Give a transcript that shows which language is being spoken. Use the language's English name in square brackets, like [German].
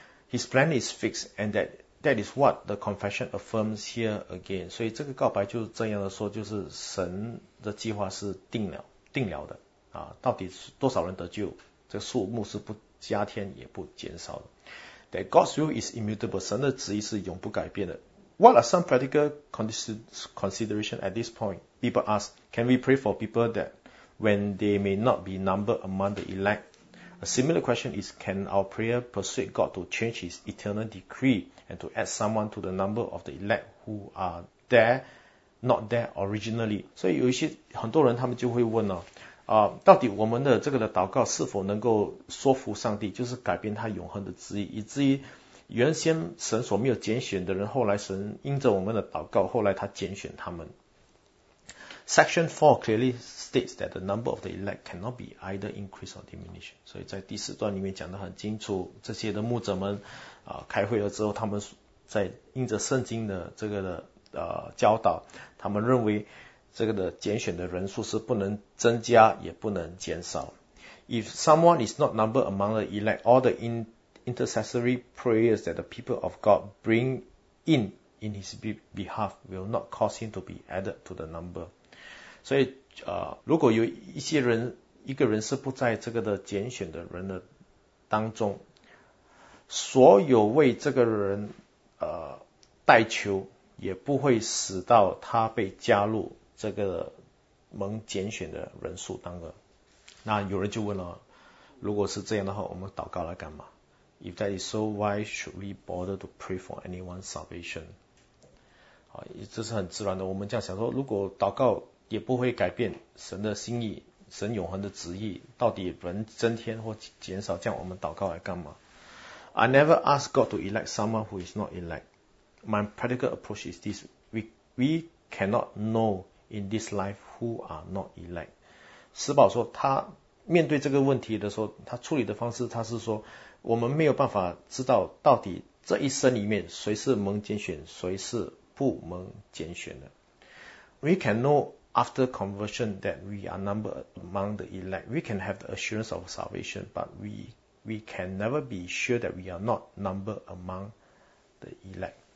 [English] His plan is fixed and that is what the confession affirms here again。 [Chinese] 所以这个告白就是这样的说，就是神的计划是定了的到底多少人得救，这个数目是不加添也不减少的。 [English] That God's will is immutable， [Chinese] 神的旨意是永不改变的。 [English] What are some practical consideration at this point? People ask, can we pray for people that when they may not be numbered among the elect? A similar question is, can our prayer persuade God to change his eternal decree? And to add someone to the number of the elect who are there, not there originally. [Chinese] 所以有一些很多人他们就会问到底我们的这个的祷告是否能够说服上帝，就是改变他永恒的旨意，以至于原先神所没有拣选的人，后来神因着我们的祷告，后来他拣选他们。 [English] Section 4 clearly states that the number of the elect cannot be either increased or diminished. [Chinese] 所以在第四段里面讲得很清楚，这些的牧者们开会了之后，他们在因着圣经的这个的教导，他们认为这个的拣选的人数是不能增加也不能减少。 [English] If someone is not numbered among the elect, all the intercessory prayers that the people of God bring in his behalf will not cause him to be added to the number. [Chinese] 所以如果有一些人，一个人是不在这个的拣选的人的当中，所有为这个人代求也不会使到他被加入这个蒙拣选的人数当中。那有人就问了，如果是这样的话，我们祷告来干嘛？ [English] If that is so, why should we bother to pray for anyone's salvation? [Chinese] 这是很自然的，我们这样想说，如果祷告也不会改变神的心意，神永恒的旨意到底能增添或减少，这样我们祷告来干嘛？ [English] I never ask God to elect someone who is not elect. My practical approach is this. We cannot know in this life who are not elect. [Chinese] 施宝说他面对这个问题的时候，他处理的方式，他是说我们没有办法知道到底这一生里面谁是蒙拣选，谁是不蒙拣选的。 [English] We can know after conversion that we are numbered among the elect. We can have the assurance of salvation, but we can never be sure that we are not numbered among the elect.